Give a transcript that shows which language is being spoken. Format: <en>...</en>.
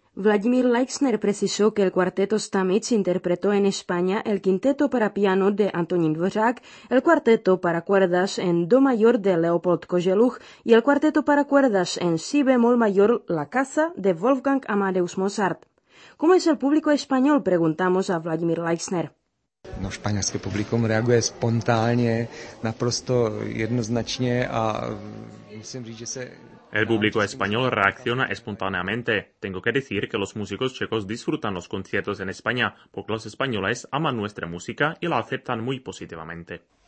<es>Vladimir Leixner precisó que el cuarteto Stamets interpretó en España el quinteto para piano de Antonín Dvořák, el cuarteto para cuerdas en Do mayor de Leopold Kozeluch y el cuarteto para cuerdas en Si bemol mayor La caza de Wolfgang Amadeus Mozart. ¿Cómo es el público español? Preguntamos a Vladimir Leixner.</es> <cs>No, španělské publikum reaguje spontánně, naprosto jednoznačně a musím říct, že se...</cs> <es>El público español reacciona espontáneamente. Tengo que decir que los músicos checos disfrutan los conciertos en España, porque los españoles aman nuestra música y la aceptan muy positivamente.</es>